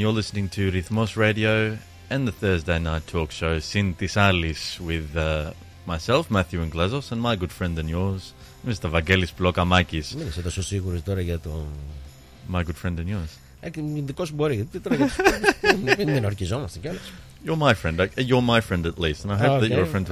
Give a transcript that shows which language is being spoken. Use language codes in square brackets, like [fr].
[en] You're listening to Rhythmos Radio and the Thursday night talk show Syntisalis with myself, Matthew Inglesos, and my good friend and yours, Mr. Vangelis Plokamakis. [el] Μην είσαι τόσο σίγουρος τώρα για το... [en] My good friend and yours. [el] Δικό σου μπορεί. Μην ορκιζόμαστε κιόλας. [en] You're my friend. You're my friend at least. And I hope that you're a friend to